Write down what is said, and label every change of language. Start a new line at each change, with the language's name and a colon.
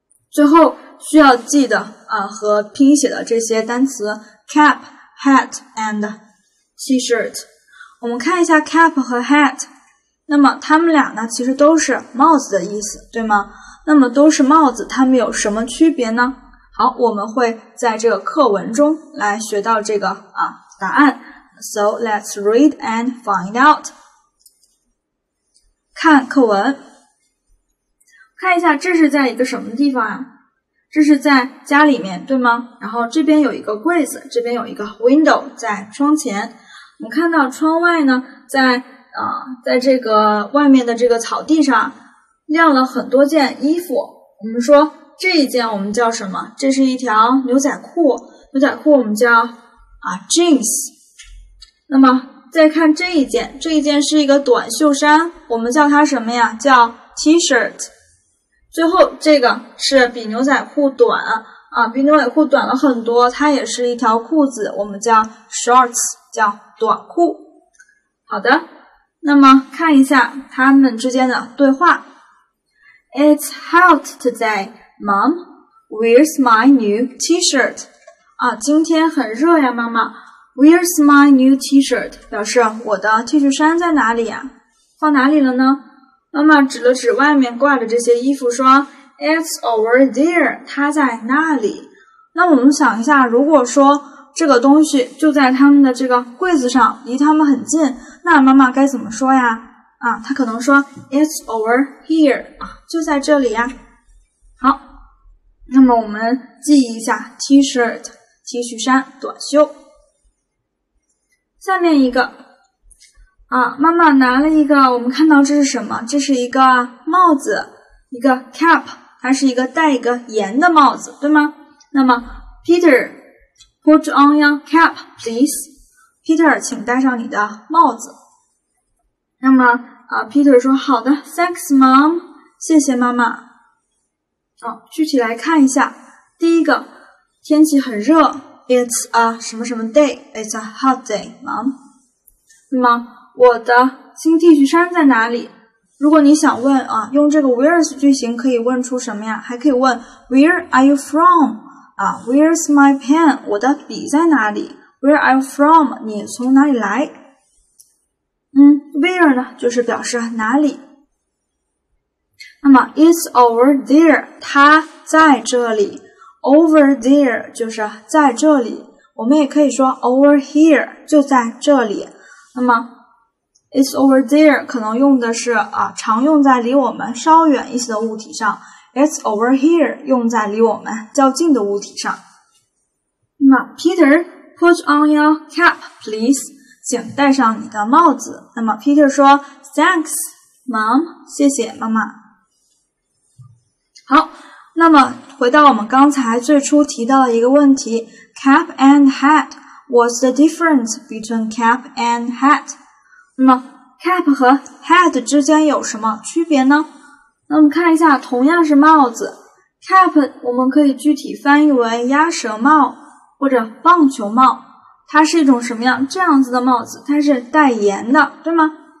Chinese: 最后需要记得啊和拼写的这些单词 cap, hat and t-shirt。我们看一下 cap 和 hat, 那么它们俩呢其实都是帽子的意思，对吗？那么都是帽子，它们有什么区别呢？好，我们会在这个课文中来学到这个啊答案。
English: So let's read and find out.
Chinese: 看课文，看一下这是在一个什么地方啊？这是在家里面，对吗？然后这边有一个柜子，这边有一个 window 在窗前。我们看到窗外呢，在这个外面的这个草地上晾了很多件衣服。我们说这一件我们叫什么？这是一条牛仔裤，牛仔裤我们叫jeans。那么再看这一件是一个短袖衫，我们叫它什么呀？叫 t-shirt。最后这个是比牛仔裤短啊，比牛仔裤短了很多，它也是一条裤子，我们叫 shorts, 叫短裤。好的，那么看一下他们之间的对话。
English: It's hot today, mom, where's my new t-shirt?
Chinese: 啊，今天很热呀妈妈。
English: Where's my new t-shirt?
Chinese: 表示我的 T 恤衫在哪里呀？放哪里了呢？妈妈指了指外面挂着这些衣服说
English: It's over there,
Chinese: 它在那里。那我们想一下，如果说这个东西就在他们的这个柜子上，离他们很近，那妈妈该怎么说呀？啊，他可能说
English: It's over here
Chinese: 啊，就在这里呀。好，那么我们记一下 T-shirt 提恤衫短袖。下面一个啊，妈妈拿了一个，我们看到这是什么？这是一个帽子，一个 cap， 它是一个戴一个檐的帽子，对吗？
English: 那么 Peter put on your cap please，
Chinese: Peter 请戴上你的帽子。那么啊 Peter 说好的， thanks mom， 谢谢妈妈。好，具体来看一下，第一个天气很热， it's a 什么什么 day，
English: it's a hot day mom。
Chinese: 那么我的新 T 恤衫在哪里？如果你想问啊，用这个 where's 句型可以问出什么呀？
English: 还可以问 where are you from 啊， where's my pen，
Chinese: 我的笔在哪里？
English: where are you from，
Chinese: 你从哪里来？嗯， where 呢就是表示哪里。那么
English: it's over there，
Chinese: 它在这里。 over there 就是在这里，我们也可以说 over here， 就在这里。那么It's over there 可能用的是啊，常用在离我们稍远一些的物体上。 It's over here 用在离我们较近的物体上。
English: 那么 Peter put on your cap please，
Chinese: 请戴上你的帽子。那么 Peter 说
English: Thanks mom，
Chinese: 谢谢妈妈。
English: 好，
Chinese: 那么
English: 回到我们刚才最初提到的一个问题， cap and hat， What's the difference between cap and hat？
Chinese: 那么 cap 和 hat 之间有什么区别呢？那我们看一下，同样是帽子， cap 我们可以具体翻译为鸭舌帽或者棒球帽，它是一种什么样这样子的帽子，它是戴檐的，对吗？